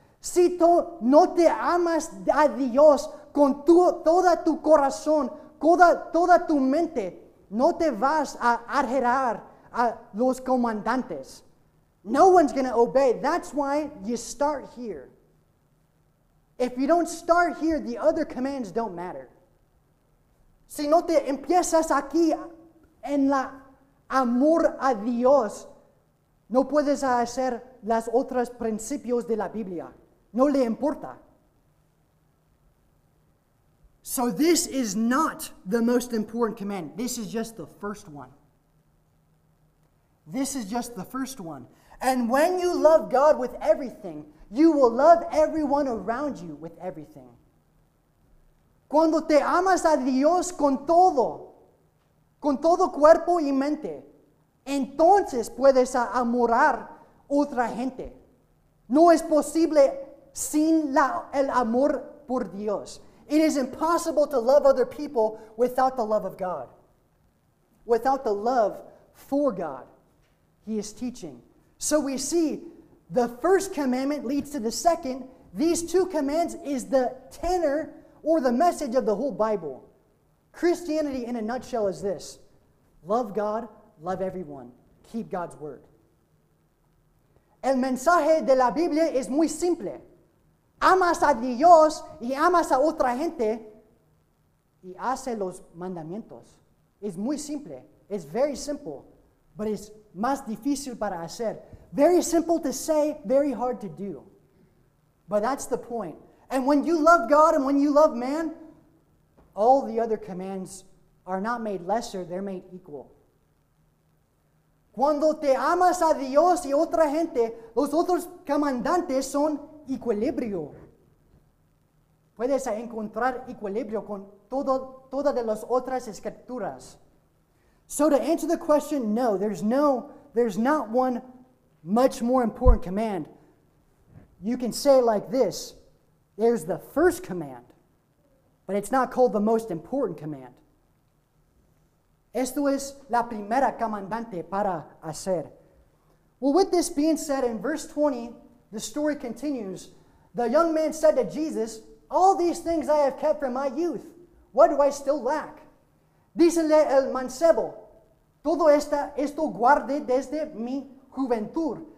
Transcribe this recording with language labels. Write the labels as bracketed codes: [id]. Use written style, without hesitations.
[es] Si tú no te amas a Dios con toda tu corazón, toda tu mente, no te vas a adherir a los comandantes. [en] No one's going to obey. That's why you start here. If you don't start here, the other commands don't matter. [es] Si no te empiezas aquí en la amor a Dios, no puedes hacer las otras principios de la Biblia. No le importa. [en] So this is not the most important command. This is just the first one. This is just the first one. And when you love God with everything, you will love everyone around you with everything. [es] Cuando te amas a Dios con todo cuerpo y mente, entonces puedes amar otra gente. No es posible sin el amor por Dios. [en] It is impossible to love other people without the love of God. Without the love for God, he is teaching. So we see the first commandment leads to the second. These two commands is the tenor or the message of the whole Bible. Christianity in a nutshell is this. Love God, love everyone. Keep God's word. [es] El mensaje de la Biblia es muy simple. Amas a Dios y amas a otra gente y hace los mandamientos. Es muy simple. [en] It's very simple, but it's [es] más difícil para hacer. [en] Very simple to say, very hard to do. But that's the point. And when you love God and when you love man, all the other commands are not made lesser, they're made equal. [es] Cuando te amas a Dios y otra gente, los otros comandantes son equilibrio. Puedes encontrar equilibrio con todas de las otras escrituras. [en] So to answer the question, no, there's not one much more important command. You can say like this, there's the first command, but it's not called the most important command. [es] Esto es la primera comandante para hacer. [en] Well, with this being said, in verse 20, the story continues. The young man said to Jesus, all these things I have kept from my youth. What do I still lack? [es] Dícele el mancebo, todo esto guardé desde mi juventud.